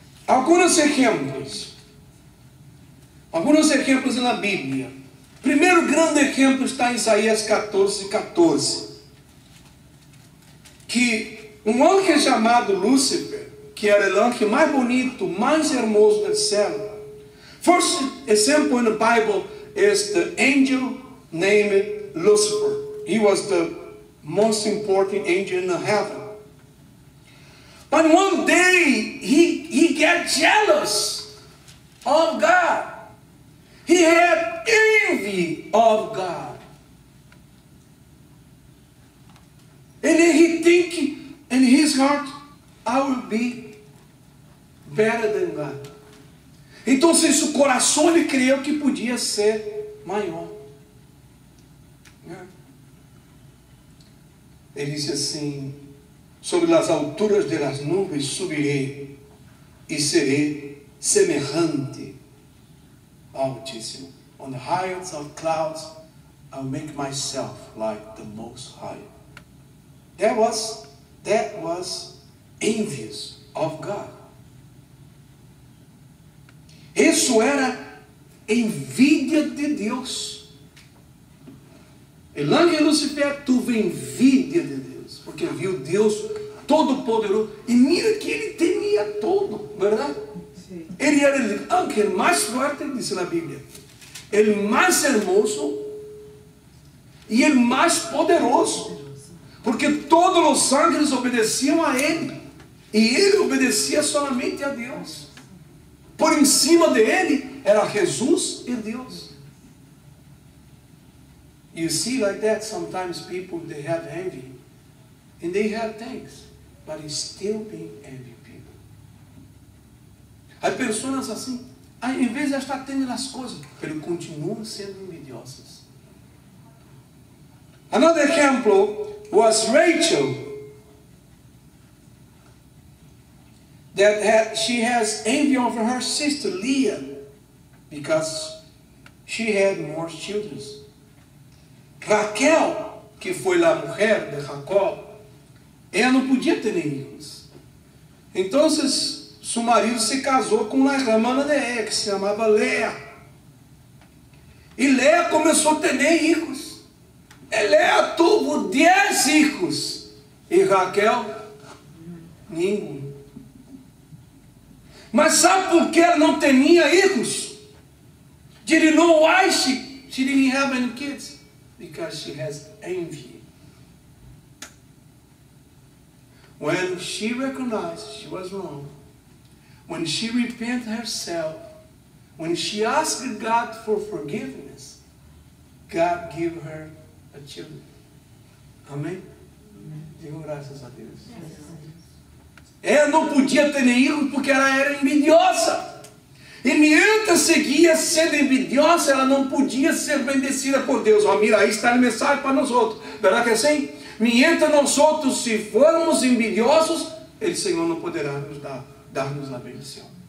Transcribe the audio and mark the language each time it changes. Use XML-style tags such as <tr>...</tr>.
<pt>Alguns exemplos. Alguns exemplos na Bíblia. Primeiro grande exemplo está em Isaías 14, 14. Que um anjo chamado Lúcifer, que era o anjo mais bonito, mais hermoso do céu.</pt> <en>First example in the Bible is the angel named Lucifer. He was the most important angel in the heaven. But one day he got jealous of God. He had envy of God. And then he think in his heart, I will be better than God.</en> <pt>Então, se o coração ele creu que podia ser maior. Ele disse assim, sobre as alturas das nuvens subirei e serei semelhante. Altíssimo.</pt> <en>On the heights of clouds, I'll make myself like the most high. That was envious of God.</en> <pt>Isso era envidia de Deus. Elange Lucifer teve envidia de Deus, porque viu Deus todo poderoso. E mira que ele temia todo, verdade? Ele era o anjo mais forte, diz na Bíblia. Ele mais hermoso e ele mais poderoso. Porque todos os anjos obedeciam a ele. E ele obedecia somente a Deus. Por em cima de ele era Jesus e Deus.</pt> <en>You see, like that, sometimes people they have envy. And they have things. But it's still being envy.</en> <pt>As pessoas assim, em vez de estar tendo as coisas, eles continuam sendo envidiosas.</pt> <en>Another example was Rachel, that had, she has envy of her sister Leah, because she had more children.</en> <pt>Raquel, que foi a mulher de Jacob, Ela não podia ter nenhum. Então, seu marido se casou com uma hermana de ela, que se chamava Lea. E Lea começou a ter filhos. Lea teve 10 filhos. E Raquel? Nenhum. Mas sabe por que ela não tinha filhos?</pt> <en>Didn't know why she didn't have any kids. Because she has envy. When she recognized she was wrong, when she repented herself, when she asked God for forgiveness, God gave her a child.</en> <pt>Amém? Digo graças a Deus. Ela não podia ter nenhum porque ela era envidiosa. E mientras seguia sendo envidiosa, ela não podia ser bendecida por Deus. Ó, mira, aí está a mensagem para nós outros. Verdade que é assim? Mientras nós outros, se formos envidiosos, o Senhor não poderá nos dar-nos a bendição.</pt>